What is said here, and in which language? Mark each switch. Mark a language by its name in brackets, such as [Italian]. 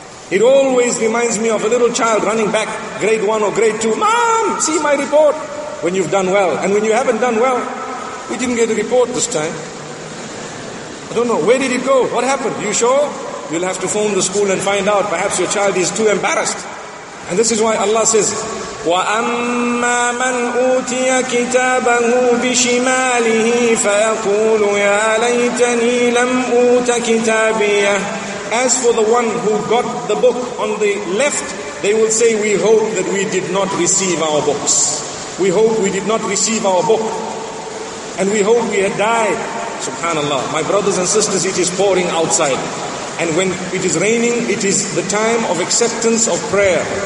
[English] It always reminds me of a little child running back, grade one or grade two. Mom, see my report. When you've done well. And when you haven't done well, we didn't get a report this time. I don't know. Where did it go? What happened? You sure? You'll have to phone the school and find out. Perhaps your child is too embarrassed. And this is why Allah says, [Arabic] وَأَمَّا مَنْ أُوتِيَ كِتَابَهُ بِشِمَالِهِ فَيَقُولُ يَا لَيْتَنِي لَمْ أُوتَ كِتَابِيَهُ. [English] As for the one who got the book on the left, they will say, we hope that we did not receive our books. We hope we did not receive our book. And we hope we had died. Subhanallah. My brothers and sisters, it is pouring outside. And when it is raining, it is the time of acceptance of prayer.